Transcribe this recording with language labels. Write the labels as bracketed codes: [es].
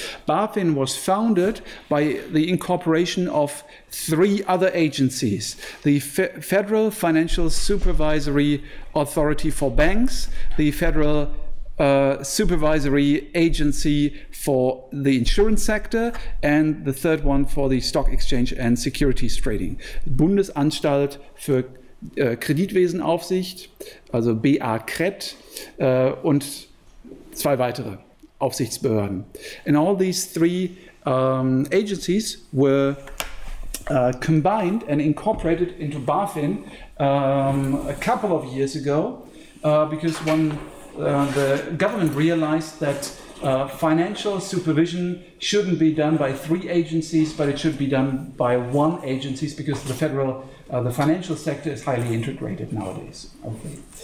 [en] BaFin was founded by the incorporation of three other agencies, the Federal Financial Supervisory Authority for Banks, the Federal Supervisory Agency for the insurance sector, and the third one for the stock exchange and securities trading. [de] Bundesanstalt für Kreditwesenaufsicht, also BaKret, und zwei weitere Aufsichtsbehörden. [en] And all these three agencies were combined and incorporated into BaFin a couple of years ago because one the government realized that financial supervision shouldn't be done by three agencies, but it should be done by one agency, because the federal, the financial sector is highly integrated nowadays. Okay.